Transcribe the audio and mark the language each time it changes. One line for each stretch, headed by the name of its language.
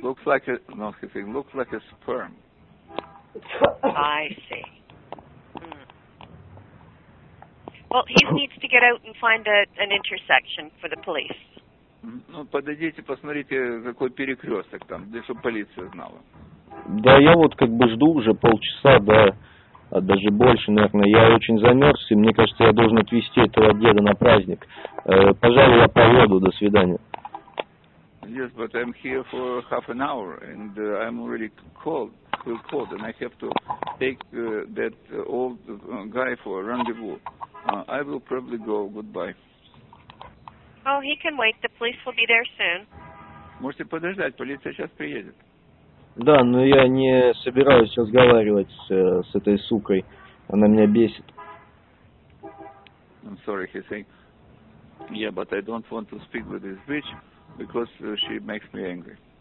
English: Looks like a, no, I think, looks like a sperm. I see. Well, he needs to get out and find an intersection for the police.
Russian: Ну, подойдите, посмотрите, какой перекресток там, для чтобы полиция знала. Да, я вот как бы жду уже полчаса, да, а даже больше, наверное. Я очень замерз, и мне кажется, я должен отвезти этого деда на праздник. Пожалуй, я поеду, до свидания.
English: Yes, but I'm here for half an hour, and I'm already cold, and I have to take that old guy for a rendezvous. I will probably go, goodbye. Oh, he can wait. The police will be there soon.
Russian: Можете подождать, полиция сейчас приедет. Да, но я не собираюсь разговаривать с этой сукой. Она меня бесит.
English: I'm sorry, he's saying. Yeah, but I don't want to speak with this bitch because she makes me angry.